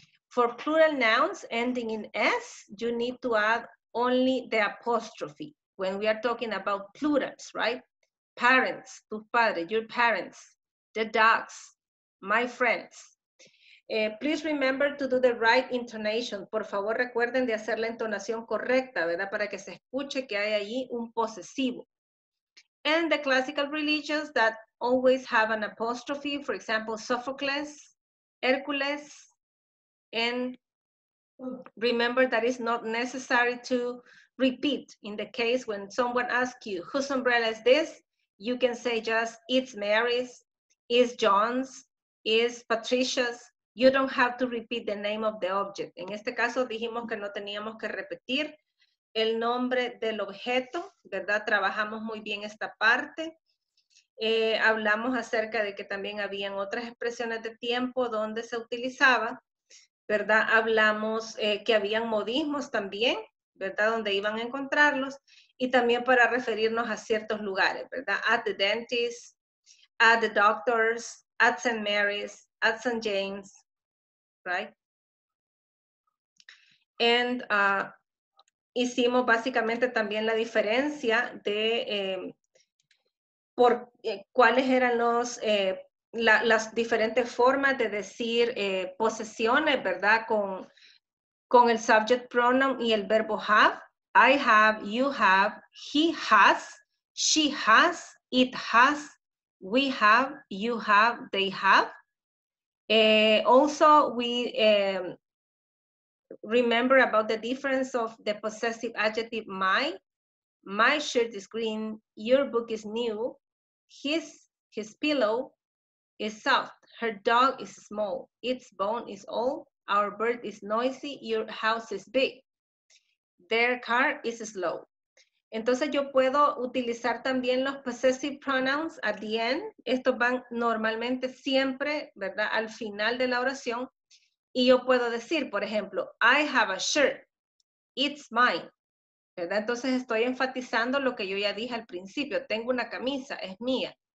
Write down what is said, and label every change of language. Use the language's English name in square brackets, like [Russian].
[English] For plural nouns ending in s, you need to add only the apostrophe when we are talking about plurals, right? Parents, [Spanish] tu padre, [English] your parents, the dogs, my friends. Please remember to do the right intonation. [Spanish] Por favor, recuerden de hacer la entonación correcta, ¿verdad? Para que se escuche que hay allí un posesivo. [English] And the classical religions that always have an apostrophe, for example, Sophocles, Hercules, and remember that it's not necessary to repeat in the case when someone asks you, whose umbrella is this? You can say just, it's Mary's, it's John's, it's Patricia's. You don't have to repeat the name of the object. [Spanish] En este caso dijimos que no teníamos que repetir el nombre del objeto, ¿verdad? Trabajamos muy bien esta parte. Hablamos acerca de que también habían otras expresiones de tiempo donde se utilizaba, ¿verdad? Hablamos que habían modismos también, ¿verdad? Donde iban a encontrarlos. Y también para referirnos a ciertos lugares, ¿verdad? [English] At the dentist, at the doctors, at St. Mary's, at St. James, right? [Spanish] And hicimos básicamente también la diferencia de cuáles eran los las diferentes formas de decir posesiones, ¿verdad? Con el subject pronoun y el verbo have. [English] I have, you have, he has, she has, it has, we have, you have, they have. Also, we remember about the difference of the possessive adjective my. My shirt is green, your book is new, his pillow is soft, her dog is small, its bone is old, our bird is noisy, your house is big, their car is slow. [Spanish] Entonces yo puedo utilizar también los [English] possessive pronouns at the end. [Spanish] Estos van normalmente siempre, ¿verdad?, al final de la oración. Y yo puedo decir, por ejemplo, [English] I have a shirt, it's mine, [Spanish] ¿verdad? Entonces estoy enfatizando lo que yo ya dije al principio. Tengo una camisa, es mía.